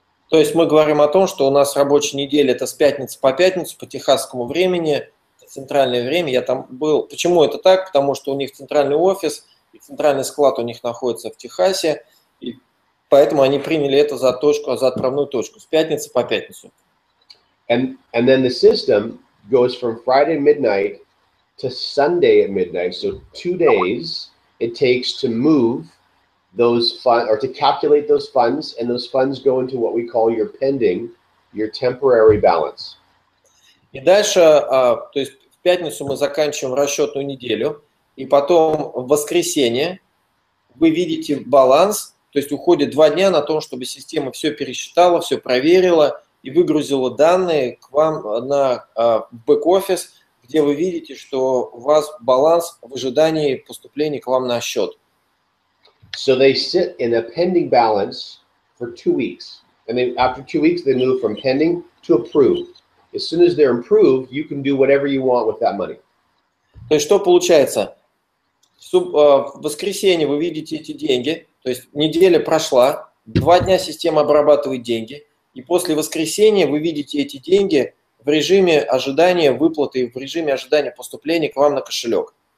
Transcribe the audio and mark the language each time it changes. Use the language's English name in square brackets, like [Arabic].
[Russian] То есть мы говорим о том, что у нас рабочая неделя это с пятницы по пятницу по техасскому времени, центральное время. Я там был. Почему это так? Потому что у них центральный офис и центральный склад у них находится в Техасе, и поэтому они приняли это за точку, за отправную точку с пятницы по пятницу. [English] And then the system goes from Friday midnight to Sunday at midnight, so 2 days it takes to move those funds or to calculate those funds, and those funds go into what we call your pending, your temporary balance. [Russian] И дальше, то есть в пятницу мы заканчиваем расчетную неделю, и потом в воскресенье вы видите баланс, то есть уходит 2 дня на то, чтобы система все пересчитала, все проверила и выгрузила данные к вам на бэк-офис, где вы видите, что у вас баланс в ожидании поступления к вам на счет. [English] So they sit in a pending balance for 2 weeks. And then after 2 weeks, they move from pending to approved. As soon as they're approved, you can do whatever you want with that money. [Russian] То есть что получается? В воскресенье вы видите эти деньги, то есть неделя прошла, 2 дня система обрабатывает деньги, и после воскресенья вы видите эти деньги в режиме ожидания выплаты, в режиме ожидания поступления к вам на кошелек.